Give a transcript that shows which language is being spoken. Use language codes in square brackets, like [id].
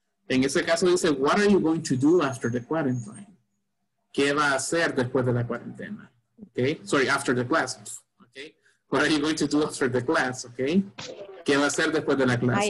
[es] En ese caso dice, [en] what are you going to do after the quarantine? [es] ¿Qué va a hacer después de la cuarentena? [en] Okay, sorry, after the class. Okay, what are you going to do after the class? [es] Okay, ¿qué va a hacer después de la clase?